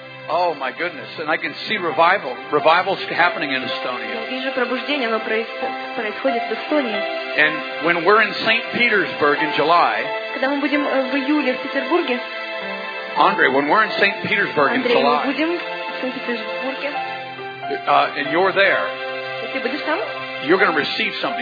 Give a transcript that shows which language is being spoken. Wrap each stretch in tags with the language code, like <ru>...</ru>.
<en>Oh my goodness, and I can see revival. Revival's happening in Estonia.</en> <ru>Я вижу пробуждение, оно происходит в Эстонии.</ru> <en>And when we're in St. Petersburg in July.</en> <ru>Когда мы будем в июле в Петербурге.</ru> <en>Andre, when we're in St. Petersburg in July, and you're there, you're going to receive something.</en>